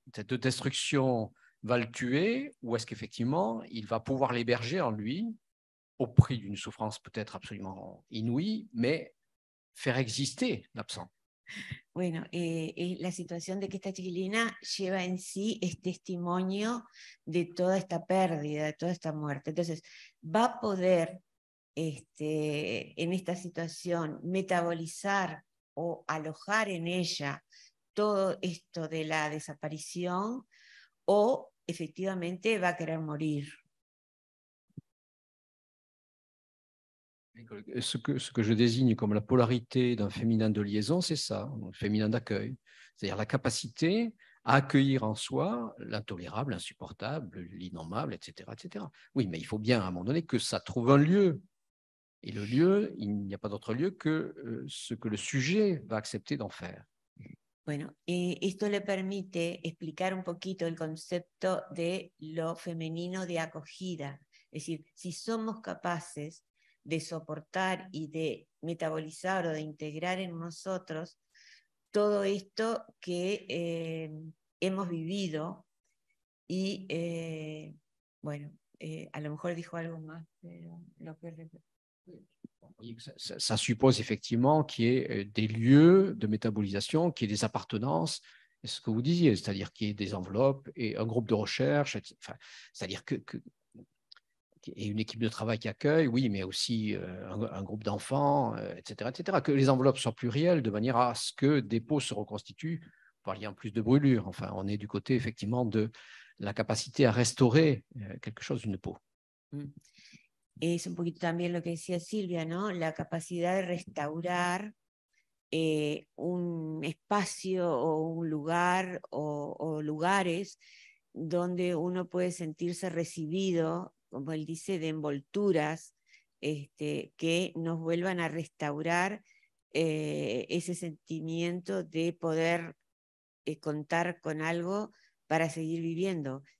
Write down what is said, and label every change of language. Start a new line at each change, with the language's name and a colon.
French: destruction va le tuer ou est-ce qu'effectivement, il va pouvoir l'héberger en lui au prix d'une souffrance peut-être absolument inouïe, mais faire exister l'absent.
Spanish: Bueno, la situación de que esta chiquilina lleva en sí este testimonio de toda esta pérdida, de toda esta muerte. Entonces, va a poder en esta situación metabolizar o alojar en ella todo esto de la desaparición o efectivamente va a querer morir.
French: Ce que je désigne comme la polarité d'un féminin de liaison, c'est ça, un féminin d'accueil, c'est-à-dire la capacité à accueillir en soi l'intolérable, l'insupportable, l'innommable, etc., etc. Oui, mais il faut bien à un moment donné que ça trouve un lieu. Et le lieu, il n'y a pas d'autre lieu que ce que le sujet va accepter d'en faire.
Spanish: Bueno, esto le permite explicar un poquito el concepto de lo femenino de acogida. Es decir, si somos capaces de soportar y de metabolizar o de integrar en nosotros todo esto que hemos vivido y, a lo mejor dijo algo más, pero lo que
French: ça suppose effectivement qu'il y ait des lieux de métabolisation, qu'il y ait des appartenances, ce que vous disiez, c'est-à-dire qu'il y ait des enveloppes et un groupe de recherche, c'est-à-dire et une équipe de travail qui accueille, oui, mais aussi un groupe d'enfants, etc., etc., que les enveloppes soient plurielles de manière à ce que des peaux se reconstituent par lien plus de brûlure. Enfin, on est du côté effectivement de la capacité à restaurer quelque chose d'une peau. Mm.
Spanish: Es un poquito también lo que decía Silvia, ¿no? La capacidad de restaurar un espacio o un lugar o lugares donde uno puede sentirse recibido, como él dice, de envolturas que nos vuelvan a restaurar ese sentimiento de poder contar con algo para seguir viviendo.